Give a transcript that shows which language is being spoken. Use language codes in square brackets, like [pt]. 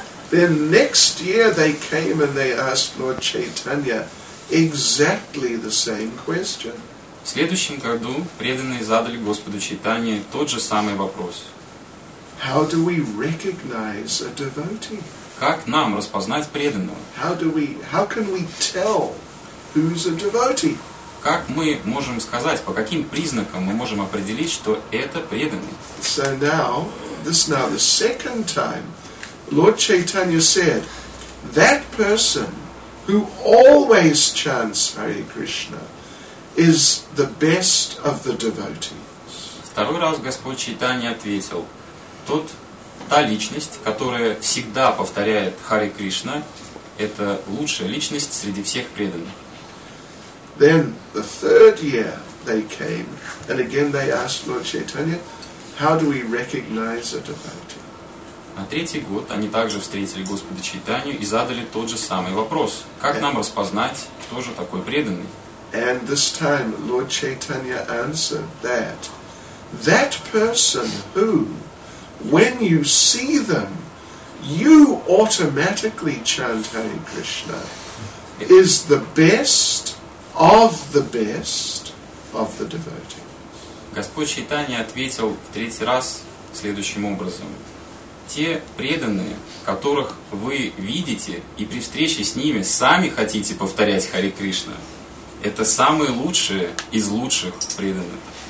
[en] Then next year they came and they asked Lord Chaitanya exactly the same question. [ru] В следующем году преданные задали Господу Чайтанье тот же самый вопрос. [en] How do we recognize a devotee? [ru] Как нам распознать преданного? [en] How can we tell who's a devotee? [ru] Как мы можем сказать, по каким признакам мы можем определить, что это преданный? [en] So now the second time Lord Chaitanya said, that person who always chants Hare Krishna is the best of the devotees. [ru] Второй раз Господь Чайтанья ответил: тот, та личность, которая всегда повторяет Hare Krishna, это лучшая личность среди всех преданных. [en] Then the third year they came, and again they asked Lord Chaitanya, how do we recognize a devotee? [ru] На третий год они также встретили Господа Чайтанью и задали тот же самый вопрос: как нам распознать, кто же такой преданный? [en] And this time Lord Chaitanya answered that person who, when you see them, you automatically chant Hare Krishna, is the best of the best of the devotees. [ru] Господь Чайтанья ответил в третий раз следующим образом: те преданные, которых вы видите и при встрече с ними сами хотите повторять Харе Кришна, это самые лучшие из лучших преданных.